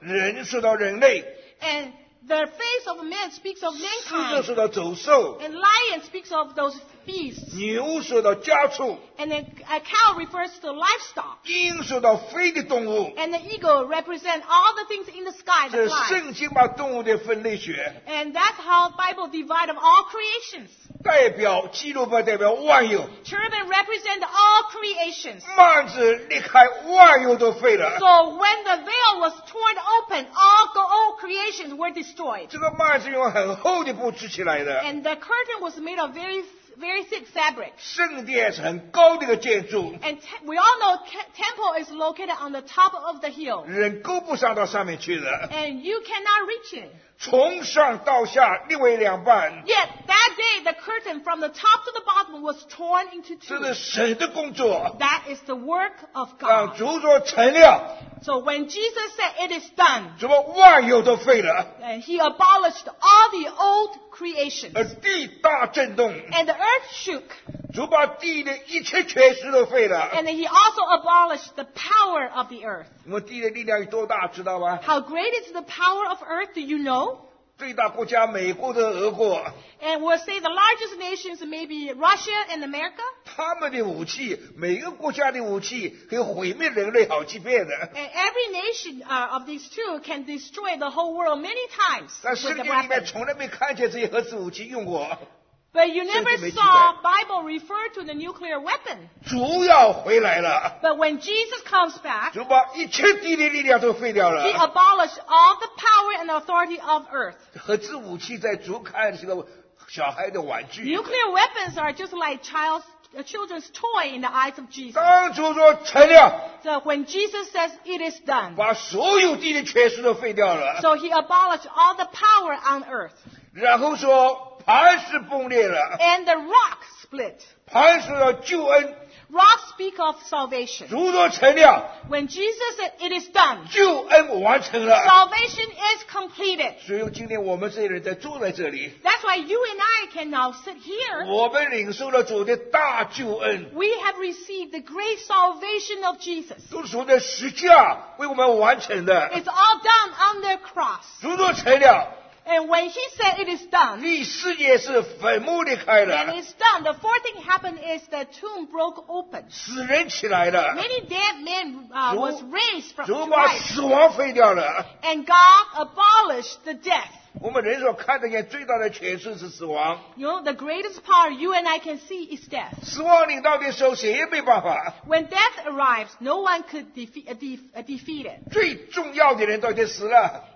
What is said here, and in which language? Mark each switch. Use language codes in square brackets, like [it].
[zh] 人说到人类 [en] and the face of a man speaks of mankind [zh] 狮子说到走兽 [en] and lion speaks of those beasts [zh] 牛说到家畜 [en] and a cow refers to livestock [zh] 鹰说到飞的动物 [en] and the eagle represents all the things in the sky [zh] 这圣经把动物的分类学 [en] and that's how the Bible divides all creations [zh] 代表基督不代表万有 [en] cherubim represent all creations [zh] 幔子裂开万有都废了 [en] so when the veil was torn open all creations were destroyed [zh] 这个幔子用很厚的布织起来的 [en] and the curtain was made of very thick fabric. [zh] 圣殿是很高的一个建筑。 [en] And we all know temple is located on the top of the hill. [zh] 人够不上到上面去的。 [en] And you cannot reach it. [zh] 从上到下裂为两半。 [en] Yet that day the curtain from the top to the bottom was torn into two. [zh] 这是神的工作。 [en] That is the work of God. [zh] 让主说成了。 [en] So when Jesus said it is done, [zh] 什么万有都废了。 [en] And he abolished all the old creations. [zh] 而地大震动。 [en] And the earth shook. [zh] 主把地的一切权势都废了。 [en] And he also abolished the power of the earth. [zh] 我们地的力量有多大，知道吗？ [en] How great is the power of earth, do you know? [zh] 最大国家美国的俄国。 [en] And we'll say the largest nations maybe Russia and America. [zh] 他们的武器，每个国家的武器可以毁灭人类好几遍的。 [en] And every nation of these two can destroy the whole world many times. [zh] 但圣经里面从来没看见这些核子武器用过。 [en] But you never saw Bible refer to the nuclear weapon. [zh] 主要回来了。 [en] But when Jesus comes back, [zh] 主把一切地的力量都废掉了。 [en] He abolished all the power and authority of earth. [zh] 核子武器在主看是个小孩的玩具。 [en] Nuclear weapons are just like children's toy in the eyes of Jesus. [zh] 当主说成了。 [en] So when Jesus says it is done, [zh] 把所有地的权势都废掉了。 [en] So he abolished all the power on earth. [zh] 然后说磐石崩裂了。 [en] And the rock split. [zh] 磐石的救恩。 [en] Rocks speak of salvation. [zh] 主说成了。 [en] When Jesus said it is done. [zh] 救恩完成了。 [en] Salvation is completed. [zh] 所以今天我们这些人在坐在这里。 [en] That's why you and I can now sit here. [zh] 我们领受了主的大救恩。 [en] We have received the great salvation of Jesus. [zh] 都是从这十字架为我们完成的。 [en] It's all done on the cross. [zh] 主说成了。 [en] And when he said it is done, [zh] 第四节是坟墓裂开了。 [en] And it's done. The fourth thing happened is the tomb broke open. [zh] 死人起来了。 [en] Many dead men was raised from the dead. [zh] 主把死亡废掉了。 [en] And God abolished the death. [zh] 我们人所看得见最大的权势是死亡。 [en] You know, the greatest power you and I can see is death. [zh] 死亡领到的时候谁也没办法。 [en] When death arrives, no one could defeat it. [zh] 最重要的人都已经死了。